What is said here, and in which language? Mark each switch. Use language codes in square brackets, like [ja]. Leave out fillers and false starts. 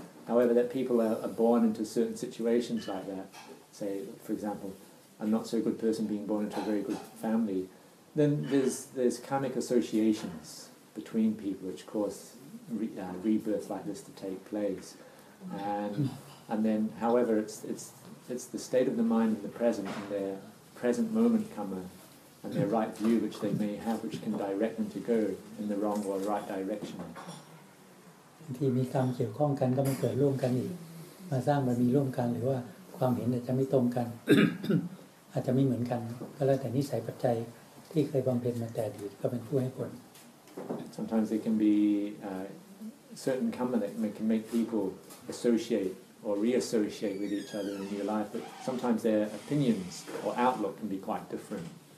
[en] However, that people are born into certain situations like that, say for example, a not so good person being born into a very good family, then there's karmic associations between people which cause rebirth like this to take place, and then however it's the state of the mind in the present and their present moment karma and their right view which they may have which can direct them to go in the wrong or right direction. [th] ที่มีกรรมเกี่ยวข้องกันก็มาเกิดร่วมกันอีกมาสร้างบารมีร่วมกันหรือว่าความเห็นอาจจะไม่ตรงกันอาจจะไม่เหมือนกันก็แล้วแต่นิสัยปัจจัยที่เคยบำเพ็ญมาแต่อดีตก็เป็นผู้ให้ผล [en] Sometimes there can be certain karma that can make people associate or reassociate with each other in your life, but sometimes their opinions or outlook can be quite different.